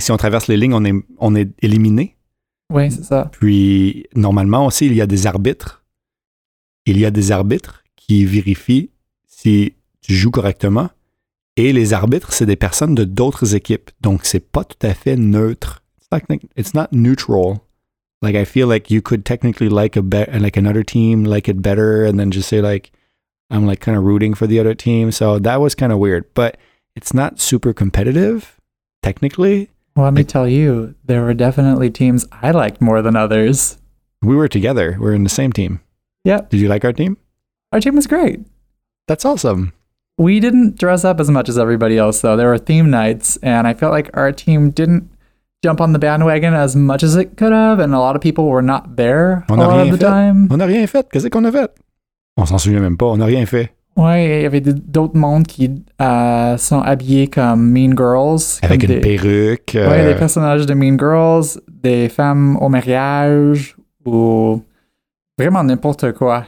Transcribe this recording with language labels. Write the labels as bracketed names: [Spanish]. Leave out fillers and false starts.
[French] Si on traverse les lignes, on est éliminé. Oui, c'est ça. Puis, normalement aussi, il y a des arbitres. Il y a des arbitres qui vérifient si tu joues correctement. Et les arbitres, c'est des personnes de d'autres équipes. Donc, c'est pas tout à fait neutre. [English] It's not neutral. Like, I feel like you could technically like another team, like it better, and then just say like... I'm like kind of rooting for the other team. So that was kind of weird. But it's not super competitive, technically. Well, let me tell you, there were definitely teams I liked more than others. We were together. We were in the same team. Yeah. Did you like our team? Our team was great. That's awesome. We didn't dress up as much as everybody else, though. There were theme nights, and I felt like our team didn't jump on the bandwagon as much as it could have, and a lot of people were not there a lot of the time. [French] On a rien fait. Qu'est-ce qu'on a fait? On s'en souvient même pas, on n'a rien fait. Ouais, il y avait d'autres mondes qui sont habillés comme Mean Girls. Avec comme une perruque. Ouais, des personnages de Mean Girls, des femmes au mariage, ou vraiment n'importe quoi.